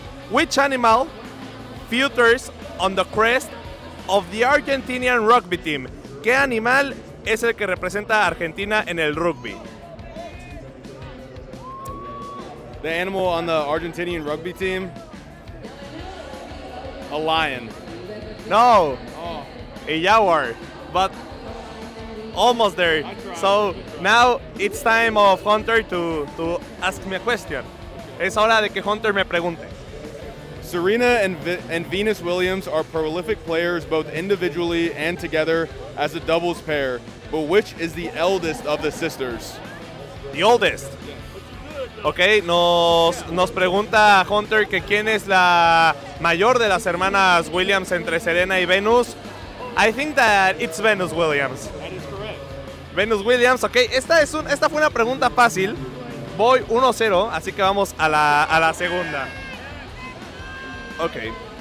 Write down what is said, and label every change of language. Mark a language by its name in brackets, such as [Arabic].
[English] Which animal features on the crest of the Argentinian rugby team? [Spanish] ¿Qué animal es el que representa a Argentina en el rugby? [English] The animal on the Argentinian rugby team? A lion. No. A jaguar, but almost there. So now it's time of Hunter to ask me a question. [Spanish] Es hora de que Hunter me pregunte. [English] Serena and Venus Williams are prolific players both individually and together as a doubles pair, but which is the eldest of the sisters? The oldest. [Spanish] Ok, nos pregunta Hunter que quién es la mayor de las hermanas Williams entre Serena y Venus. [English] I think that it's Venus Williams. That is correct. [Spanish] Venus Williams, ok. Esta fue una pregunta fácil. Voy 1-0, así que vamos a la segunda. Ok.